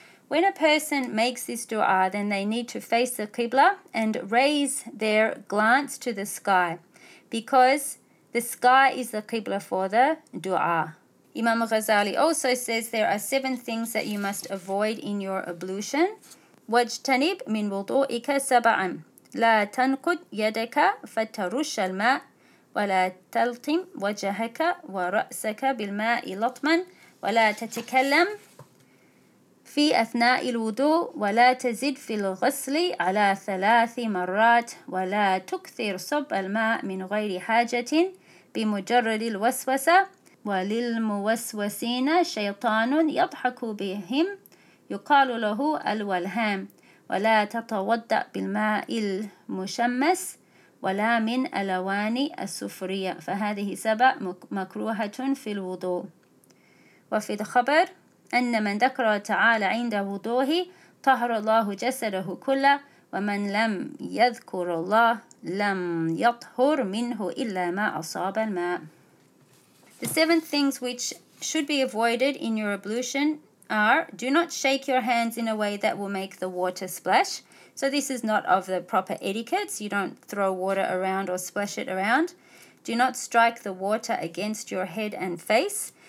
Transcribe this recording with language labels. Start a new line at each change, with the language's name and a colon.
English: When a person makes this dua, then they need to face the Qibla and raise their glance to the sky, because the sky is the Qibla for the dua. Imam Ghazali also says there are seven things that you must avoid in your ablution.
Arabic: وَاجْتَنِبْ مِنْ وُضُوئِكَ سَبَعًا لَا تَنْقُدْ يَدَكَ فَتَرُشَّ الْمَاءِ وَلَا تَلْطِمْ وَجَهَكَ وَرَأْسَكَ بِالْمَاءِ لَطْمًا وَلَا تَتِكَلَّمْ في أثناء الوضوء ولا تزيد في الغسل على ثلاث مرات ولا تكثر صب الماء من غير حاجة بمجرد الوسوسة وللموسوسين شيطان يضحك بهم يقال له الولهام ولا تتوضأ بالماء المشمس ولا من ألوان السفرية فهذه سبع مكروهة في الوضوء وفي الخبر أن من ذكر تعالى عند وضوه طهر الله جسده كله ومن لم يذكر الله لم يطهر منه إلا ما أصاب الماء.
English: The seven things which should be avoided in your ablution are: do not shake your hands in a way that will make the water splash. So this is not of the proper etiquette. You don't throw water around or splash it around. Do not strike the water against your head and face.